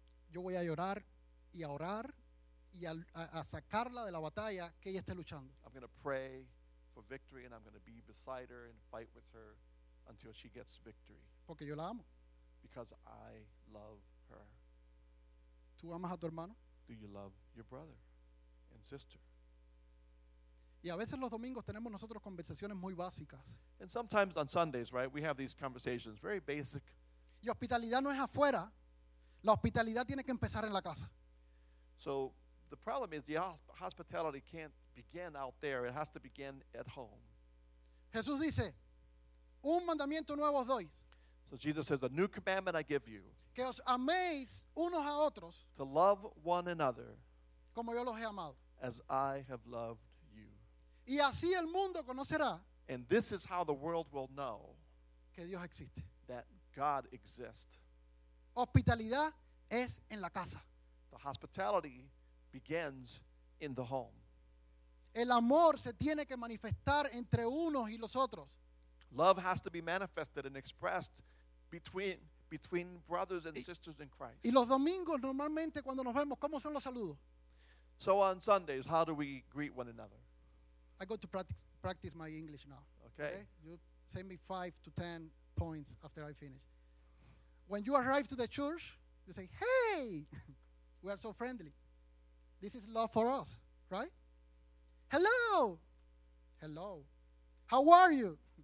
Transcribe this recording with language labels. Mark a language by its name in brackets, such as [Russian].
[Spanish] yo voy a llorar y a orar y a sacarla de la batalla que ella esté luchando. [English] I'm going to pray for victory and I'm going to be beside her and fight with her until she gets victory. [Spanish] Porque yo la amo. [English] Because I love her. [Spanish] ¿Tú amas a tu hermano? [English] Do you love your brother and sister? [Spanish] Y a veces los domingos tenemos nosotros conversaciones muy básicas. [English] And sometimes on Sundays, right, we have these conversations, very basic. [Spanish] Y hospitalidad no es afuera. La hospitalidad tiene que empezar en la casa. [English] So the problem is the hospitality can't begin out there. It has to begin at home. [Spanish] Jesús dice, un mandamiento nuevo os doy. [English] So Jesus says, a new commandment I give you. [Spanish] Que os améis unos a otros. [English] To love one another. [Spanish] Como yo los he amado. [English] As I have loved. [Spanish] Y así el mundo conocerá, [English] and this is how the world will know, [Spanish] que Dios existe, [English] that God exists. [Spanish] Hospitalidad es en la casa. [English] The hospitality begins in the home. [Spanish] El amor se tiene que manifestar entre unos y los otros. [English] Love has to be manifested and expressed between brothers and sisters in Christ. [Spanish] Y los domingos normalmente cuando nos vemos, ¿cómo son los saludos? [English] So on Sundays, how do we greet one another? I go to practice my English now. Okay. You send me 5 to 10 points after I finish. When you arrive to the church, you say, hey, we are so friendly. This is love for us, right? Hello. Hello. How are you?